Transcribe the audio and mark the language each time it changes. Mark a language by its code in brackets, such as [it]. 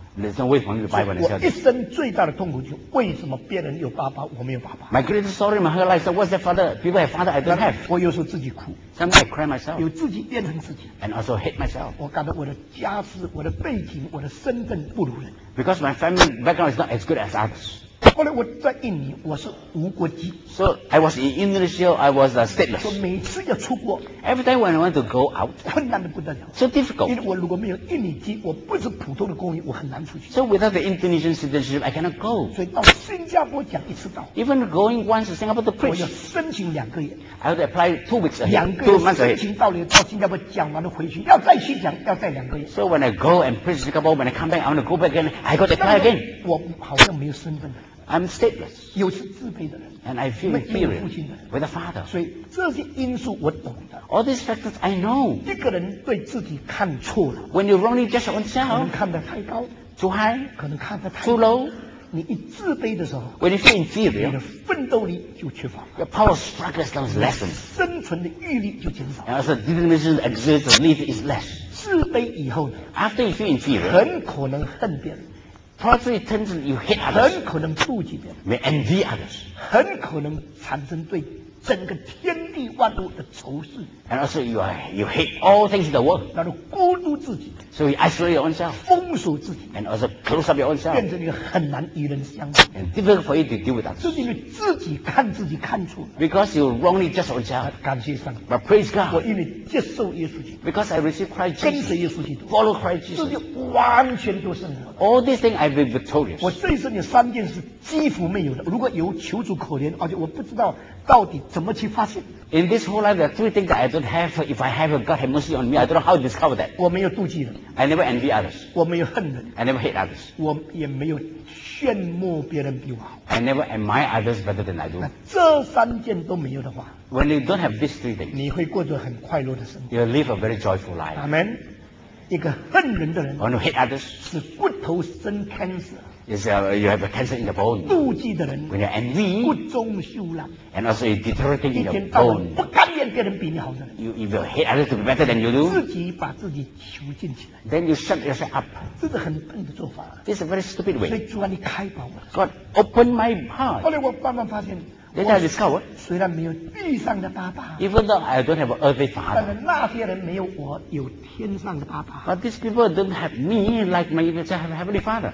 [zh] 人生为什么有爸爸我一生最大的痛苦就是为什么别人有爸爸我没有爸爸 [en] My greatest sorrow in my whole life said, What's that father? People have father I don't have [zh] 我有时候自己哭 [en] Sometimes I cry myself [zh] 有自己变成自己 [en] And also hate myself [zh] 我感到我的家世我的背景我的身份不如人 [en] Because my family background is not as good as others [zh] 后来我在印尼我是无国籍 [en] So I was in Indonesia I was stateless [zh] 说每次要出国 [en] Every time when I want to go out [zh] 困难的不得了 [en] So difficult [zh] 因为我如果没有印尼籍我不是普通的公民我很难出去 [en] So without the Indonesian citizenship I cannot go [zh] 所以到新加坡讲一次道 [en] Even going once to Singapore to preach [zh] 我要申请两个月 [en] I have to apply 2 weeks ahead [zh] 两个月申请道理到新加坡讲完了回去要再去讲要再两个月 [en] So when I go and preach Singapore when I come back I want to go back again I got to apply again [zh] 我好像没有身份 [en] I'm stateless. [zh] 有时自卑的人 [en] And I feel inferior with a father. [zh] 所以这些因素我懂的 [en] All these factors I know. [zh] 一个人对自己看错了 [en] When you wrongly judge yourself. [zh] 可能看得太高 [en] Too high. [zh] 可能看得太 [en] Too low. [zh] 你一自卑的时候 [en] When you feel inferior. [zh] 你的奋斗力就缺乏 [en] Your power struggle becomes less. [zh] 生存的毅力就减少 [en] And also determination to exist the need is less. [zh] 自卑以后 [en] After you feel inferior. [zh] 很可能恨别人 [en] Probably turns you hate others. [zh] 很可能妒忌别人。 [en] May envy others. [zh] 很可能产生对整个天地万物的仇视。 [en] And also you hate all things in the world. [zh] 那就孤独自己。 [en] So you isolate your own self. [zh] 封锁自己。 [en] And also close up your own self. [zh] 变成一个很难与人相处。 [en] And difficult for you to deal with others. [zh] 是因为自己看自己看错。 [en] Because you wrongly judge yourself. [zh] 感谢上 [en] 帝。But praise God. [zh] 我因为接受耶稣基督。 [en] Because I receive Christ Jesus. [zh] 跟随耶稣基督。 [en] Follow Christ Jesus. [zh] 这就完全就胜了。 [en] All these things I've been victorious. [zh] 我这一生有三件事几乎没有的。如果有求主可怜，而且我不知道到底怎么去发现。 [en] In this whole life, there are three things that I don't have. If I have, God have mercy on me. I don't know how to discover that. [zh] 我没有妒忌人。 [en] I never envy others. [zh] 我没有恨人。 [en] I never hate others. [zh] 我也没有羡慕别人比我好。 [en] I never admire others better than I do. [zh] 这三件都没有的话 [en] ，When you don't have these three things, [zh] 你会过着很快乐的生活。 [en] You'll live a very joyful life. [zh] Amen. 一个恨人的人 [en] ，One who hate others, [zh] 是骨头生 cancer。 [en] Is you have a cancer in the bone. [zh] 妒忌的人 [en] When you're envy, [zh] 不忠修了 [en] And also you're deteriorating in your bone. [zh] 不甘愿别人比你好的人 [en] You will hate others to be better than you do. [zh] 自己把自己囚禁起来 [en] Then you shut yourself up. [zh] 这是很笨的做法 [en] This is a very stupid way. [zh] 所以主啊，你开导我 [en] God, open my heart. [zh] 后来我慢慢发现 [en] Then I discovered. [zh] 虽然没有地上的爸爸 [en] Even though I don't have an earthly father. [zh] 但是那些人没有我有天上的爸爸 [en] But these people don't have me like my heavenly father.